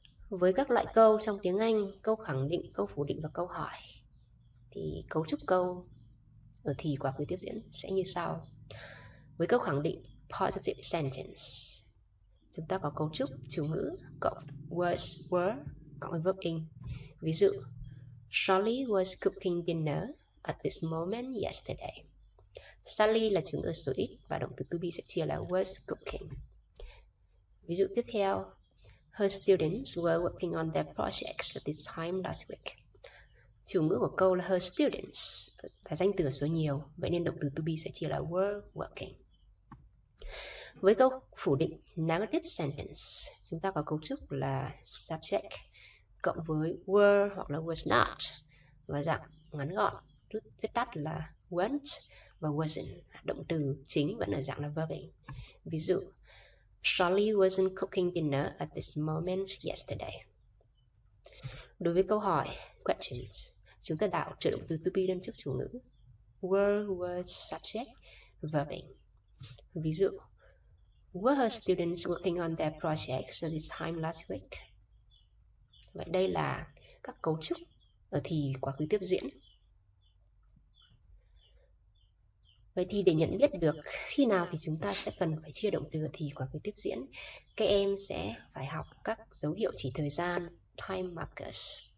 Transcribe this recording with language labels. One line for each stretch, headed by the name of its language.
Vietnamese: Với các loại câu trong tiếng Anh, câu khẳng định, câu phủ định và câu hỏi, thì cấu trúc câu ở thì quá khứ tiếp diễn sẽ như sau. Với câu khẳng định
English: positive sentence,
Vietnamese: chúng ta có cấu trúc chủ ngữ cộng was were cộng với verb in. Ví dụ,
English: Sally was cooking dinner at this moment yesterday.
Vietnamese: Sally là chủ ngữ số ít và động từ to be sẽ chia là was cooking. Ví dụ tiếp theo,
English: her students were working on their projects at this time last week.
Vietnamese: Chủ ngữ của câu là
English: her students
Vietnamese: là danh từ số nhiều, vậy nên động từ to be sẽ chia là
English: were working.
Vietnamese: Với câu phủ định
English: negative sentence,
Vietnamese: chúng ta có cấu trúc là subject cộng với were hoặc là was not và dạng ngắn gọn viết tắt là weren't và wasn't, động từ chính vẫn ở dạng là verb. Ví dụ,
English: Charlie wasn't cooking dinner at this moment yesterday.
Vietnamese: Đối với câu hỏi questions, chúng ta đảo trở động từ to be lên trước chủ ngữ were, was, subject, verb. Ví dụ,
English: were her students working on their projects at this time last week?
Vietnamese: Vậy đây là các cấu trúc ở thì quá khứ tiếp diễn. Vậy thì để nhận biết được khi nào thì chúng ta sẽ cần phải chia động từ thì quá khứ tiếp diễn, các em sẽ phải học các dấu hiệu chỉ thời gian,
English: time markers.